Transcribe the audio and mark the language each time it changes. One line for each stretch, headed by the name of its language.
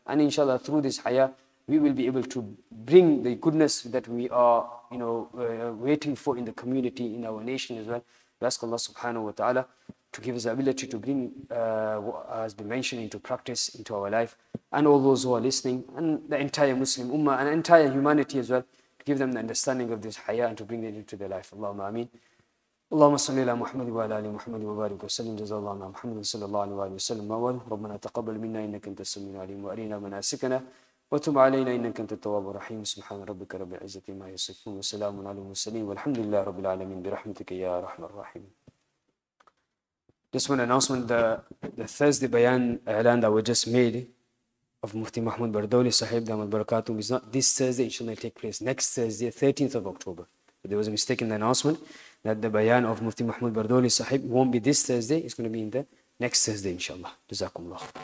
English: And inshallah, through this haya, we will be able to bring the goodness that we are, you know, waiting for in the community, in our nation as well. We ask Allah subhanahu wa ta'ala to give us the ability to bring what has been mentioned into practice, into our life. And all those who are listening, and the entire Muslim ummah, and entire humanity as well, to give them the understanding of this haya and to bring it into their life. Allahumma ameen.
Arabic: اللهم صل على محمد وعلى آل محمد وبارك وسلم جزا الله عنا محمد صلى الله عليه وآله وسلم موال ربنا تقبل منا إنك أنت السميع العليم وأرنا مناسكنا وتب علينا إنك أنت التواب الرحيم سبحان ربك رب العزة ما يصفون وسلام على المرسلين والحمد لله رب العالمين برحمتك يا رحمن الرحيم.
English: This one announcement, the Thursday bayan اعلان that we just made of Mufti Mahmud Bardawi Sahib Dam al-Barakatum is not this Thursday, it shall take place next Thursday, 13th of October. But there was a mistake in the announcement that the bayan of Mufti Mahmud Bardawi Sahib won't be this Thursday, it's going to be in the next Thursday, inshallah. Jazakumullah.